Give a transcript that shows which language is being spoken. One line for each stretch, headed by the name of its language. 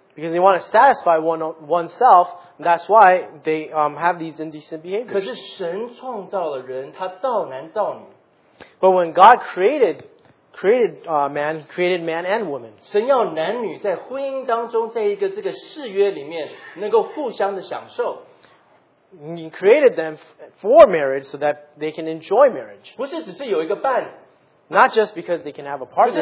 English: Because they want to satisfy oneself, that's why they have these indecent behaviors.
Chinese: 可是神创造了人, 他造男造女。
English: But when God created man and woman,
Chinese: 神要男女在婚姻当中, 在一个这个誓约里面, 能够互相的享受。
English: He created them for marriage so that they can enjoy marriage.
Chinese: 不是只是有一个伴,
English: not just because they can have a partner.